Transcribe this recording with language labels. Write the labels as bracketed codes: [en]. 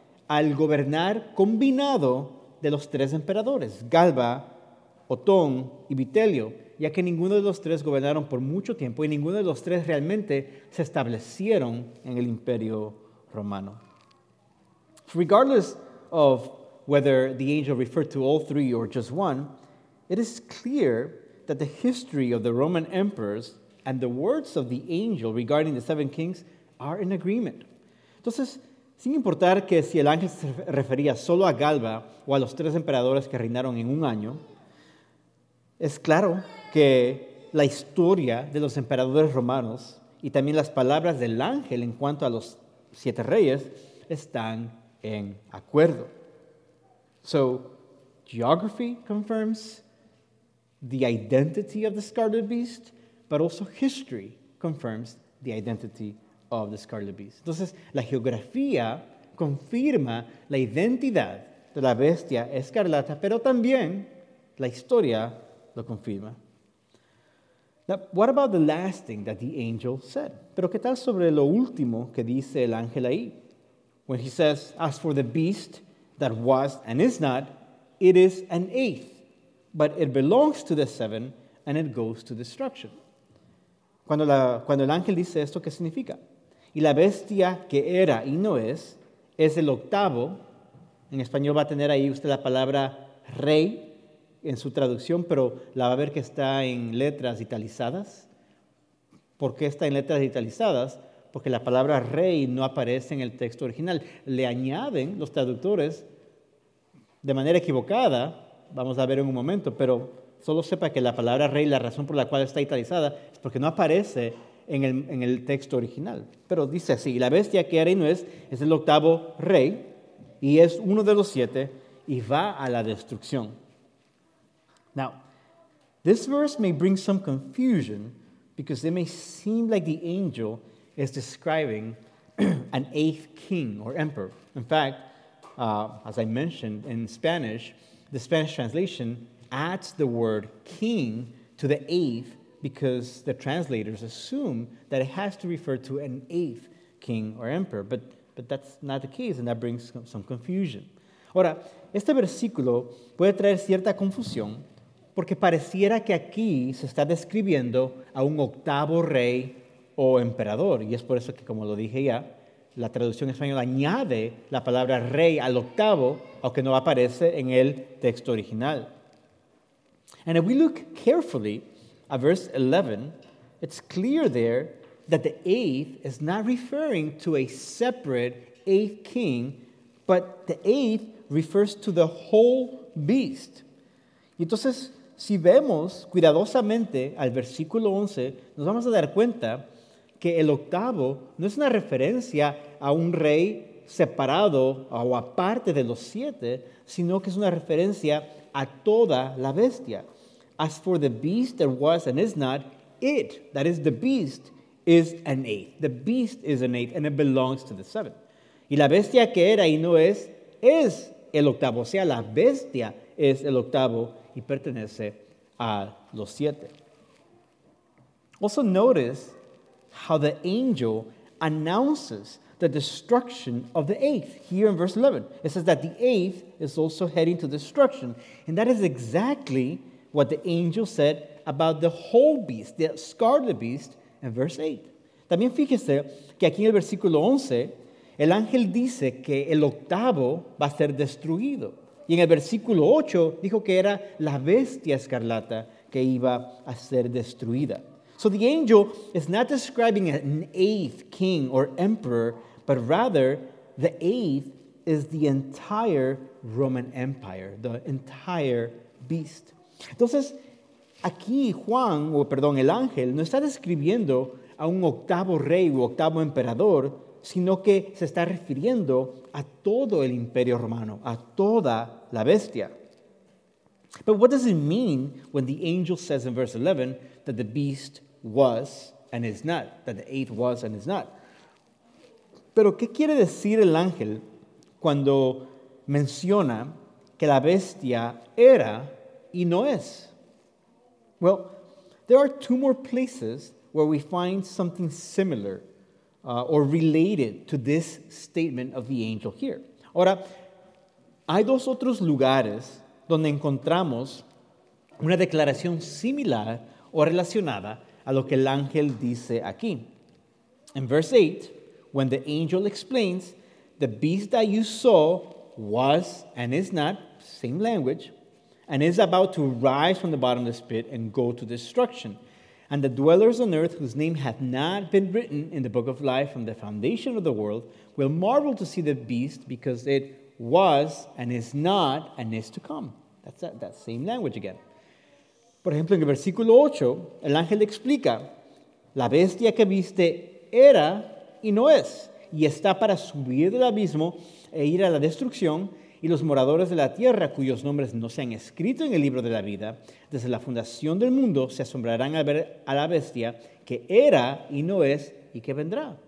[es] al gobernar combinado de los tres emperadores, Galba, Otón y Vitelio, ya que ninguno de los tres gobernaron por mucho tiempo y ninguno de los tres realmente se establecieron en el imperio Romano. [en] Regardless of whether the angel referred to all three or just one, it is clear that the history of the Roman emperors and the words of the angel regarding the seven kings are in agreement. [es] Entonces, sin importar que si el ángel se refería solo a Galba o a los tres emperadores que reinaron en un año, es claro que la historia de los emperadores romanos y también las palabras del ángel en cuanto a los siete reyes están en acuerdo. [en] So, geography confirms the identity of the Scarlet Beast, but also history confirms the identity of the Scarlet Beast. [es] Entonces, la geografía confirma la identidad de la bestia escarlata, pero también la historia lo confirma. [en] Now, what about the last thing that the angel said? [es] Pero ¿qué tal sobre lo último que dice el ángel ahí? [en] When he says, as for the beast that was and is not, it is an eighth, but it belongs to the seven and it goes to destruction. [es] Cuando el ángel dice esto, ¿qué significa? Y la bestia que era y no es, es el octavo. En español va a tener ahí usted la palabra rey en su traducción, pero la va a ver que está en letras italizadas. ¿Por qué está en letras italizadas? Porque la palabra rey no aparece en el texto original. Le añaden los traductores de manera equivocada, vamos a ver en un momento, pero solo sepa que la palabra rey, la razón por la cual está italizada, es porque no aparece en el texto original. Pero dice así, la bestia que era y no es el octavo rey, y es uno de los siete, y va a la destrucción. [en] Now, this verse may bring some confusion because it may seem like the angel is describing an eighth king or emperor. In fact, as I mentioned in Spanish, the Spanish translation adds the word king to the eighth because the translators assume that it has to refer to an eighth king or emperor, but that's not the case, and that brings some confusion. [es] Ahora, este versículo puede traer cierta confusión porque pareciera que aquí se está describiendo a un octavo rey o emperador, y es por eso que, como lo dije ya, la traducción española añade la palabra rey al octavo, aunque no aparece en el texto original. [en] And if we look carefully at verse 11, it's clear there that the eighth is not referring to a separate eighth king, but the eighth refers to the whole beast. [es] Y entonces, si vemos cuidadosamente al versículo 11, nos vamos a dar cuenta que el octavo no es una referencia a un rey separado o aparte de los siete, sino que es una referencia a toda la bestia. [en] As for the beast that was and is not, it, that is the beast, is an eighth. The beast is an eighth and it belongs to the seventh. [es] Y la bestia que era y no es, es el octavo. O sea, la bestia es el octavo y pertenece a los siete. [en] Also notice how the angel announces the destruction of the eighth here in verse 11. It says that the eighth is also heading to destruction. And that is exactly what the angel said about the whole beast, the scarlet beast, in verse 8. [es] También fíjese que aquí en el versículo 11, el ángel dice que el octavo va a ser destruido. Y en el versículo 8, dijo que era la bestia escarlata que iba a ser destruida. [en] So the angel is not describing an eighth king or emperor, but rather the eighth is the entire Roman Empire, the entire beast. [es] Entonces, aquí Juan, o perdón, el ángel, no está describiendo a un octavo rey o octavo emperador, sino que se está refiriendo a todo el imperio romano, a toda la bestia. [en] But what does it mean when the angel says in verse 11 that the beast was and is not, that the eighth was and is not? [es] Pero, ¿qué quiere decir el ángel cuando menciona que la bestia era y no es? [en] Well, there are two more places where we find something similar or related to this statement of the angel here. [es] Ahora, hay dos otros lugares donde encontramos una declaración similar o relacionada a lo que el ángel dice aquí. [en] In verse 8, when the angel explains, the beast that you saw was and is not, same language, and is about to rise from the bottomless pit and go to destruction. And the dwellers on earth whose name hath not been written in the book of life from the foundation of the world will marvel to see the beast because it was and is not and is to come. That's that same language again. [es] Por ejemplo, en el versículo 8, el ángel explica, la bestia que viste era y no es, y está para subir del abismo e ir a la destrucción, y los moradores de la tierra, cuyos nombres no se han escrito en el libro de la vida, desde la fundación del mundo, se asombrarán al ver a la bestia que era y no es y que vendrá.